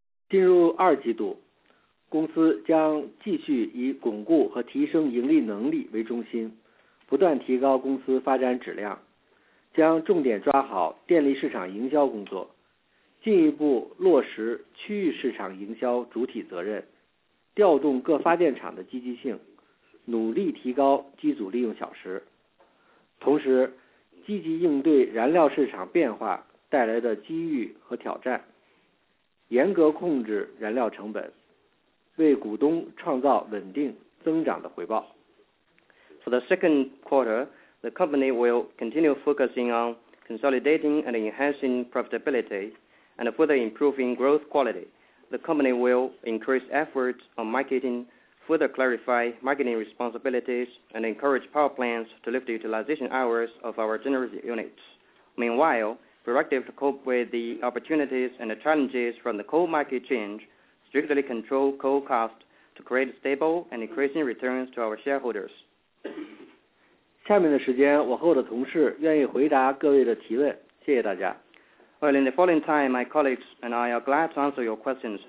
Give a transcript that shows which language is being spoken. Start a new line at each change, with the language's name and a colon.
Chinese: 进入二季度，公司将继续以巩固和提升盈利能力为中心，不断提高公司发展质量，将重点抓好电力市场营销工作，进一步落实区域市场营销主体责任，调动各发电厂的积极性，努力提高机组利用小时，同时积极应对燃料市场变化带来的机遇和挑战，严格控制燃料成本，为股东创造稳定增长的回报。
English: For the second quarter, the company will continue focusing on consolidating and enhancing profitability and further improving growth quality. The company will increase efforts on marketing, further clarify marketing responsibilities, and encourage power plants to lift the utilization hours of our generation units. Meanwhile, proactive to cope with the opportunities and the challenges from the coal market change, strictly control coal cost to create stable and increasing returns to our shareholders.
Chinese: 下面的时间，我和我的同事愿意回答各位的提问，谢谢大家。
English: Well, in the following time, my colleagues and I are glad to answer your questions.